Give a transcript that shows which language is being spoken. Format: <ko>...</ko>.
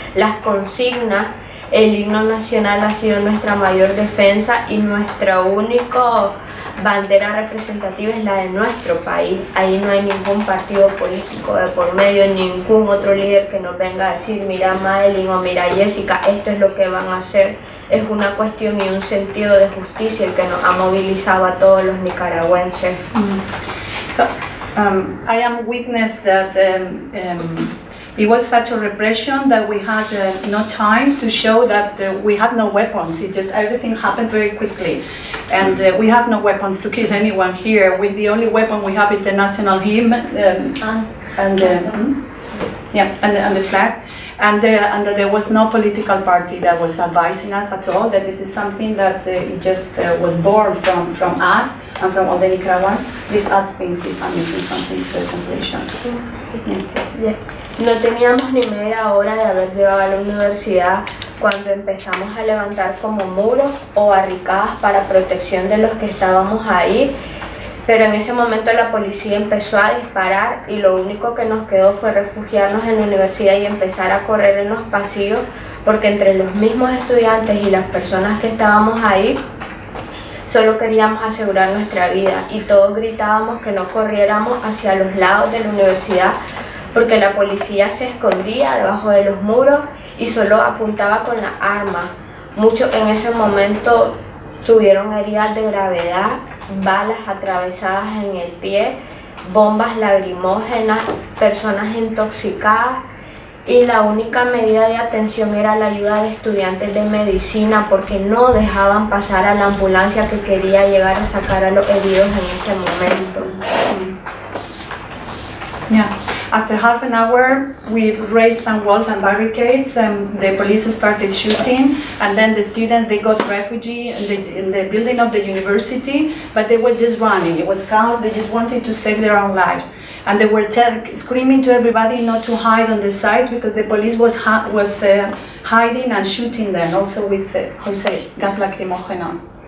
<es>Las consignas, el himno nacional ha sido nuestra mayor defensa y nuestra única bandera representativa es la de nuestro país. Ahí no hay ningún partido político de por medio, ningún otro líder que nos venga a decir, mira Madeline o mira Jessica, esto es lo que van a hacer. Es una cuestión y un sentido de justicia el que nos ha movilizado a todos los nicaragüenses.</es> <en>I am witness that it was such a repression that we had no time to show that we had no weapons. It just, everything happened very quickly. And we have no weapons to kill anyone here. The only weapon we have is the national hymn and the flag. And there was no political party that was advising us at all, that this is something that was born from us and from all the Nicaraguans. Please add things if I'm missing something to the translation.</en> <es>No teníamos ni media hora de haber llegado a la universidad cuando empezamos a levantar como muros o barricadas para protección de los que estábamos ahí. Pero en ese momento la policía empezó a disparar y lo único que nos quedó fue refugiarnos en la universidad y empezar a correr en los pasillos, porque entre los mismos estudiantes y las personas que estábamos ahí solo queríamos asegurar nuestra vida y todos gritábamos que no corriéramos hacia los lados de la universidad, porque la policía se escondía debajo de los muros y solo apuntaba con la arma. Muchos en ese momento tuvieron heridas de gravedad, balas atravesadas en el pie, bombas lacrimógenas, personas intoxicadas, y la única medida de atención era la ayuda de estudiantes de medicina, porque no dejaban pasar a la ambulancia que quería llegar a sacar a los heridos en ese momento.</es> <en>After half an hour, we raised some walls and barricades, and the police started shooting. And then the students, they got refugee in the building of the university, but they were just running. It was chaos. They just wanted to save their own lives. And they were screaming to everybody not to hide on the sides, because the police was hiding and shooting them, also with Jose, gas lacrimogeno.</en>